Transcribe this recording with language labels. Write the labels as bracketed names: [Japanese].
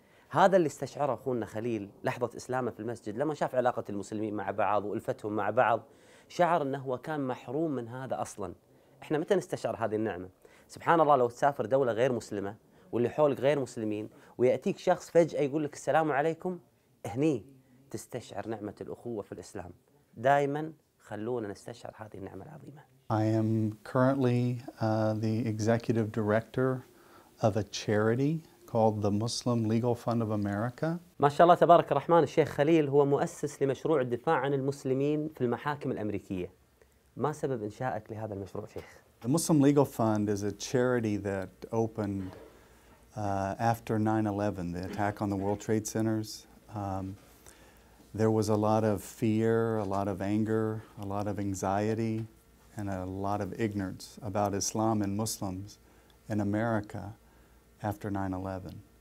[Arabic] هذا اللي استشعره أخونا خليل لحظة إسلامه في المسجد لما شاف علاقة المسلمين مع بعض وألفتهم مع بعض، شعر أنه كان محروم من هذا أصلا. إحنا متى نستشعر هذه النعمة؟ سبحان الله لو تسافر دولة غير مسلمة واللي حولك غير مسلمين ويأتيك شخص فجأة يقول لك السلام عليكم، هني تستشعر نعمة الأخوة في الإسلام. دائما خلونا نستشعر هذه النعمة العظيمة. [English] I am currently the executive director of a charity called the Muslim Legal Fund of America. [Arabic] ما شاء الله تبارك الرحمن، الشيخ خليل هو مؤسس لمشروع الدفاع عن المسلمين في المحاكم الأمريكية. ما سبب إنشائك لهذا المشروع شيخ؟ [English] The Muslim Legal Fund is a charity that opened after 9/11, the attack on the World Trade Centers. There was a lot of fear, a lot of anger, a lot of anxiety, and a lot of ignorance about Islam and Muslims in America after 9/11.